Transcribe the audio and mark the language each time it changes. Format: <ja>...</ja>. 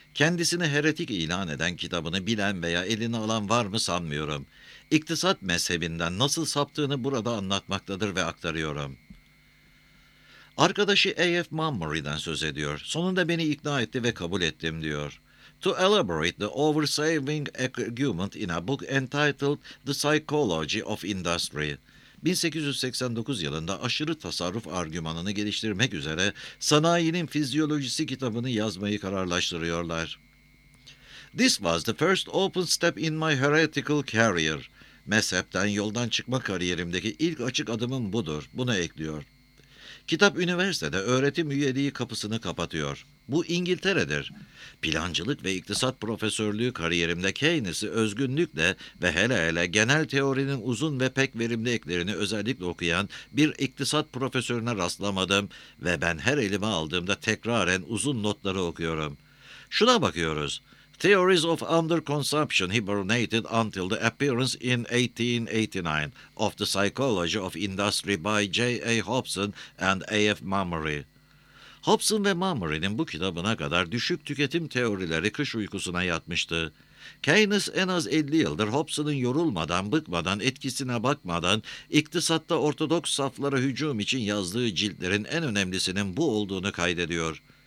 <tr>Kendisini heretik ilan eden kitabını bilen veya eline alan var mı sanmıyorum. İktisat mezhebinden nasıl saptığını burada anlatmaktadır ve aktarıyorum. Arkadaşı A.F. Mummery'den söz ediyor. Sonunda beni ikna etti ve kabul ettim diyor.</tr> <en>To elaborate the oversaving argument in a book entitled The Psychology of Industry.</en> <tr>1889 yılında aşırı tasarruf argümanını geliştirmek üzere Sanayinin Fizyolojisi kitabını yazmayı kararlaştırıyorlar.</tr> <en>This was the first open step in my heretical career.</en> <tr>Mezhepten yoldan çıkma kariyerimdeki ilk açık adımım budur. Bunu ekliyor. Kitap üniversitede öğretim üyeliği kapısını kapatıyor. Bu İngiltere'dir. Plancılık ve iktisat profesörlüğü kariyerimde Keynes'i özgünlükle ve hele hele genel teorinin uzun ve pek verimli eklerini özellikle okuyan bir iktisat profesörüne rastlamadım ve ben her elime aldığımda tekraren uzun notları okuyorum. Şuna bakıyoruz.</tr> <en>Theories of Underconsumption Hibernated Until the Appearance in 1889 of the Psychology of Industry by J.A. Hobson and A.F. Mummery.</en> <tr>Hobson ve Mummery'nin bu kitabına kadar düşük tüketim teorileri kış uykusuna yatmıştı. Keynes en az 50 yıldır Hobson'un yorulmadan, bıkmadan, etkisine bakmadan iktisatta ortodoks saflara hücum için yazdığı ciltlerin en önemlisinin bu olduğunu kaydediyor.</tr>